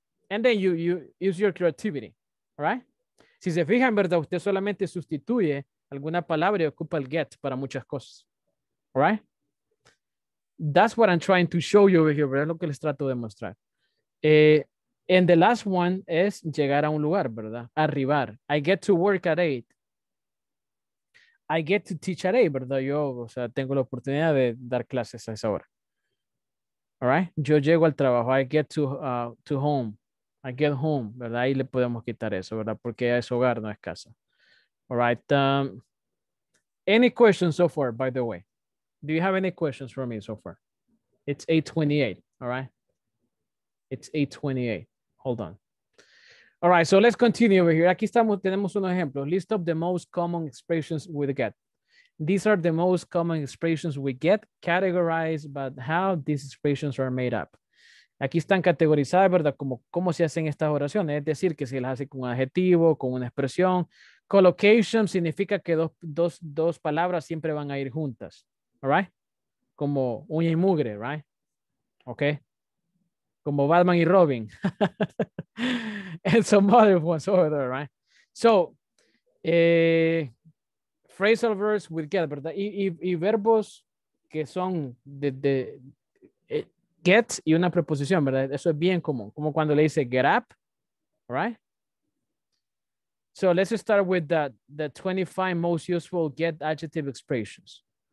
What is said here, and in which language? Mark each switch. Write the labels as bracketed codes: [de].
[en] And then you use your creativity, all right? [es] Si se fijan, ¿verdad? Usted solamente sustituye alguna palabra y ocupa el get para muchas cosas, [en] all right? That's what I'm trying to show you over here, [es] ¿verdad? Lo que les trato de mostrar. [en] And the last one is [es] llegar a un lugar, ¿verdad? Arribar. [en] I get to work at 8. I get to teach at 8, [es] ¿verdad? Yo, o sea, tengo la oportunidad de dar clases a esa hora. [en] All right? [es] Yo llego al trabajo. [en] I get to home. I get home, [es] ¿verdad? Ahí le podemos quitar eso, ¿verdad? Porque es hogar, no es casa. All right. [en] Any questions so far, by the way? Do you have any questions for me so far? It's 8:28, all right? It's 8:28. Hold on. All right, so let's continue over here. [es] Aquí estamos, tenemos unos ejemplos. [en] List of the most common expressions we get. These are the most common expressions we get categorized, but how these expressions are made up. [es] Aquí están categorizadas, ¿verdad? Como cómo se hacen estas oraciones. Es decir, que se las hace con un adjetivo, con una expresión. Collocation significa que dos palabras siempre van a ir juntas. [en] All right? [es] Como uña y mugre, [en] right? Okay? [es] Como Batman y Robin. [en] And some other ones over there, right? So, phrasal verbs with get, [es] ¿verdad? Y verbos que son get y una preposición, ¿verdad? Eso es bien común. Como cuando le dice [en] get up, right? So, let's start with the 25 most useful get adjective expressions.